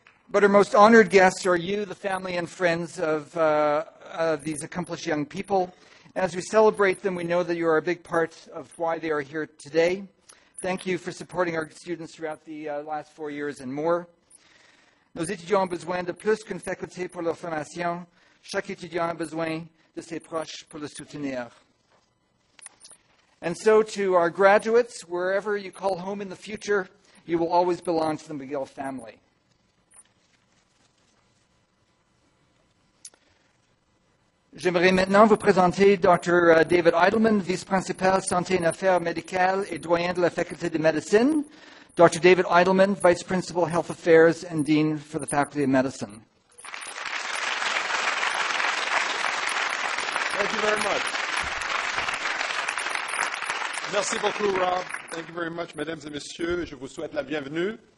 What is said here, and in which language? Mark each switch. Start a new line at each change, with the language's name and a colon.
English: But our most honored guests are you, the family and friends of these accomplished young people. As we celebrate them, we know that you are a big part of why they are here today. Thank you for supporting our students throughout the last 4 years and more.
French: Nos étudiants ont besoin de plus qu'une faculté pour leur formation. Chaque étudiant a besoin de ses proches pour le soutenir.
English: And so to our graduates, wherever you call home in the future, you will always belong to the McGill family.
French: J'aimerais maintenant vous présenter Dr. David Eidelman, vice-principal santé et affaires médicales et doyen de la faculté de médecine. Dr.
English: David Eidelman, vice-principal health affairs and dean for the faculty of medicine. Thank you very much.
French: Merci beaucoup, Rob.
English: Thank you very much,
French: mesdames et messieurs. Je vous souhaite la bienvenue.